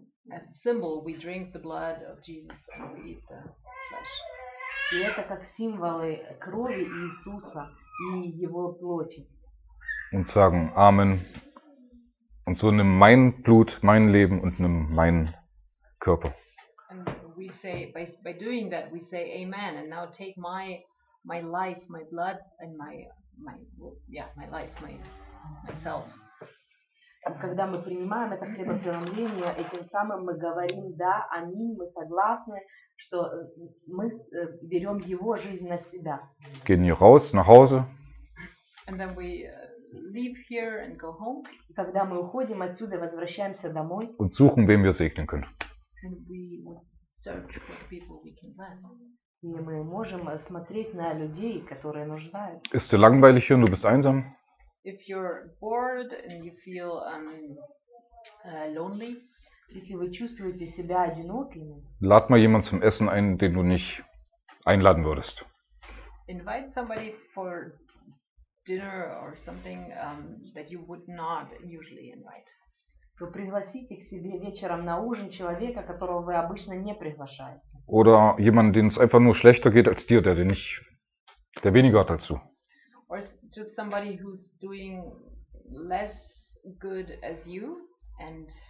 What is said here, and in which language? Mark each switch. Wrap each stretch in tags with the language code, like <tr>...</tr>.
<en>As a symbol, we drink the blood of Jesus and we eat the flesh.</en> <ru>И это как символы крови Иисуса и Его плоти.</ru> <de>Und sagen Amen. Und so nimm mein Blut, mein Leben und nimm meinen Körper.</de> <en>And we say, by doing that, we say Amen. And now take my life, my blood and my life, myself.</en> <ru>Когда мы принимаем это хлебопреломление, этим самым мы говорим да, аминь, мы согласны, что мы берем его жизнь на себя.</ru> <de>Gehen wir raus, nach Hause.</de> <en>And then we leave here and go home.</en> <ru>И когда мы уходим отсюда, возвращаемся домой.</ru> <de>Und suchen, wem wir segnen können.</de> <en>And we search for people we can bless.</en> <ru>И мы можем смотреть на людей, которые нуждаются.</ru> <de>Ist dir langweilig hier, du bist einsam?</de> <en>If you're bored and you feel lonely,</en> <ru>если вы чувствуете себя одиноким,</ru> <de>lad mal jemand zum Essen ein, den du nicht einladen würdest.</de> <en>Invite somebody for dinner or something that you would not usually invite.</en> <ru>Вы пригласите к себе вечером на ужин человека, которого вы обычно не приглашаете.</ru> <de>Oder jemanden, den es einfach nur schlechter geht als dir, der weniger hat dazu.</de> <en>Or just somebody who's doing less good as you and</en>